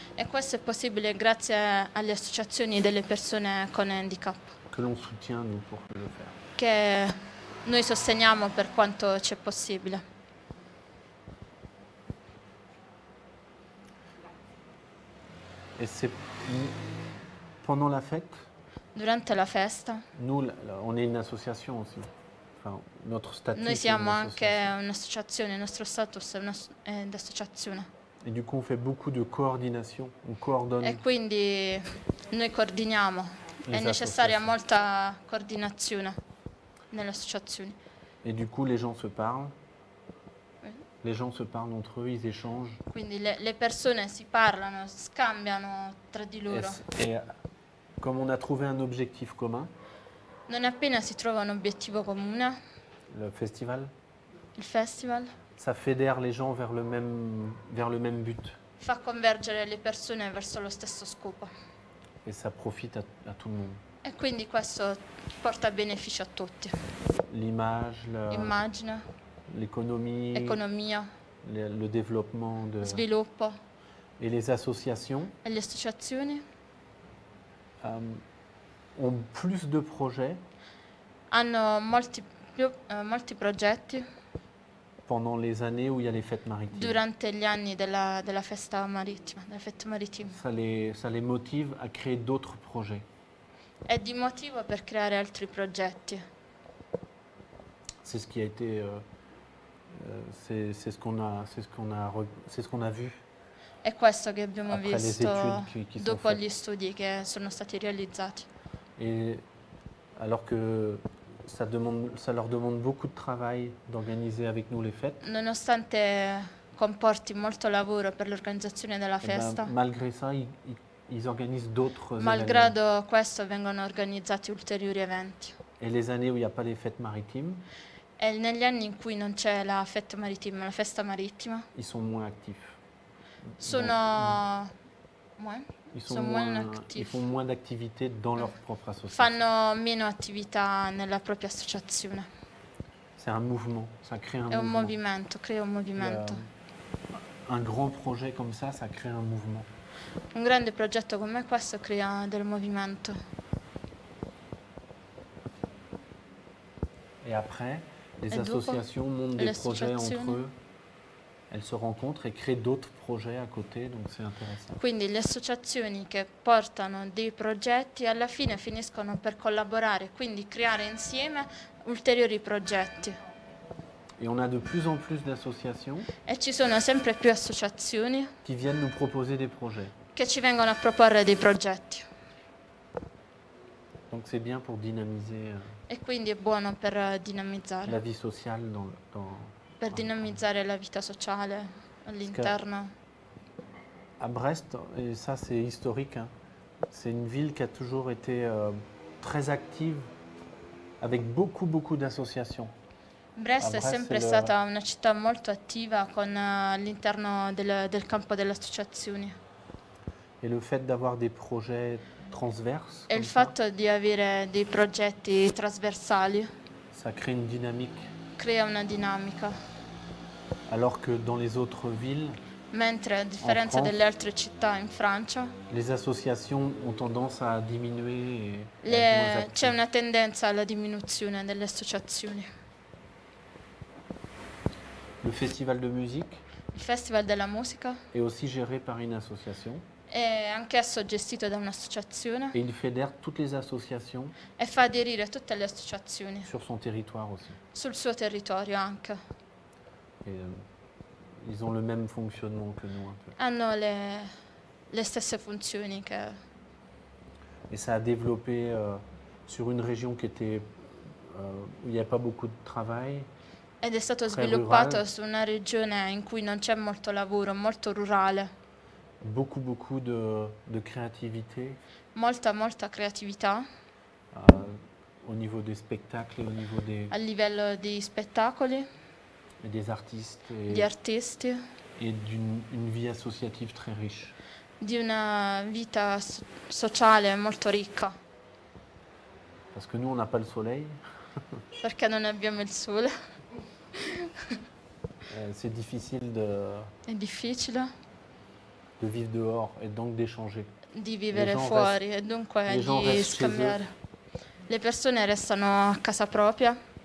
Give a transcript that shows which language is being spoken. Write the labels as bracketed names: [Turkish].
[Italian] E questo è possibile grazie alle associazioni delle persone con handicap. [French] Que l'on soutient nous pour le faire. [Italian] Che noi sosteniamo per quanto c'è possibile. E se [French] pendant la fête? [Italian] Durante la festa. [French] Nous, on est une association aussi. Enfin, notre statut. [Italian] Noi siamo anche un'associazione, il nostro status è un'associazione. [French] Et du coup, on fait beaucoup de coordination, on coordonne. [Italian] E quindi noi coordiniamo. È necessaria molta coordinazione nell'associazione. [French] Et du coup, les gens se parlent. Les gens se parlent entre eux, ils échangent. [Italian] Quindi le persone si parlano, scambiano tra di loro. [French] Et comme on a trouvé un objectif commun. [Italian] Non appena si trova un obiettivo comune. [French] Le festival. [Italian] Il festival. [French] Ça fédère les gens vers le même but. [Italian] Fa convergere le persone verso lo stesso scopo. [French] Et ça profite à tout le monde. [Italian] E quindi questo porta beneficio a tutti. [French] L'image. [Italian] L'immagine. [French] L'économie, le développement de [Italian] sviluppo [French] et les associations. [Italian] E le associazioni [French] ont plus de projets. [Italian] Hanno molti progetti. [French] Pendant les années où il y a les fêtes maritimes. [Italian] Durante gli anni della festa marittima, della fête maritime. [French] Ça les motive à créer d'autres projets. [Italian] È di motivo per creare altri progetti. [French] C'est ce qui a été c'est ce qu'on a vu. [Italian] È questo che abbiamo visto dopo gli studi che sono stati realizzati. [French] Et alors que ça leur demande beaucoup de travail d'organiser avec nous les fêtes. [Italian] Nonostante comporti molto lavoro per l'organizzazione della festa. [French] Ben, malgré ça, ils organisent d'autres. [Italian] Malgrado questo, vengono organizzati ulteriori eventi. [French] Et les années où il y a pas les fêtes maritimes. [Italian] E negli anni in cui non c'è la fête maritime, la festa marittima. [French] Ils sont moins actifs. Sono moins actifs. Ils font moins d'activité dans leur propre association. [Italian] Fanno meno attività nella propria associazione. [French] C'est un mouvement, ça crée un mouvement. [Italian] È un movimento, crea un movimento. [French] Un grand projet comme ça, ça crée un mouvement. [Italian] Un grande progetto come questo crea del movimento. [French] Et après les associations montent des projets entre eux. Elles se rencontrent et créent d'autres projets à côté, donc c'est intéressant. [Italian] Quindi le associazioni che portano dei progetti alla fine finiscono per collaborare, quindi creare insieme ulteriori progetti. [French] Et on a de plus en plus d'associations. [Italian] E ci sono sempre più associazioni. [French] Qui viennent nous proposer des projets. [Italian] Che ci vengono a proporre dei progetti. [French] Donc c'est bien pour dynamiser. [Italian] E quindi è buono per dinamizzare [French] la vie sociale dans [Italian] per dinamizzare la vita sociale all'interno. [French] A Brest, et ça c'est historique, hein. C'est une ville qui a toujours été très active avec beaucoup d'associations. [Italian] Brest è sempre stata una città molto attiva con all'interno del campo delle associazioni. [French] Et le fait d'avoir des projets transverse. [Italian] E il fatto di avere dei progetti trasversali. [French] Ça crée une dynamique. [Italian] Crea una dinamica. [French] Alors que dans les autres villes. [Italian] Mentre a differenza [French] France, [Italian] delle altre città in Francia. [French] Les associations ont tendance à diminuer. [Italian] C'è una tendenza alla diminuzione delle associazioni. [French] Le festival de musique. [Italian] Il festival della musica. [French] Est aussi géré par une association. [Italian] È anch'esso gestito da un'associazione. [French] Et il fédère toutes les associations. [Italian] E fa aderire tutte le associazioni. [French] Sur son territoire aussi. [Italian] Sul suo territorio anche. [French] Et, ils ont le même fonctionnement que nous un peu. [Italian] Hanno le stesse funzioni che. [French] Et ça a développé sur une région qui était où il n'y avait pas beaucoup de travail. [Italian] Ed è stato sviluppato su una regione in cui non c'è molto lavoro, molto rurale. [French] Beaucoup de créativité. [Italian] Molta creatività. [French] Au niveau des spectacles et au niveau des. [Italian] A livello di spettacoli. [French] Et des artistes. [Italian] Gli artisti. [French] Et d'une vie associative très riche. [Italian] di una vita sociale molto ricca. [French] Parce que nous on n'a pas le soleil. [Italian] Perché non abbiamo il sole. [French] C'est difficile de. [Italian] È difficile. [French] De vivre dehors et donc d'échanger. [Italian] Di vivere fuori e dunque di scambiare. Le persone restano a casa propria.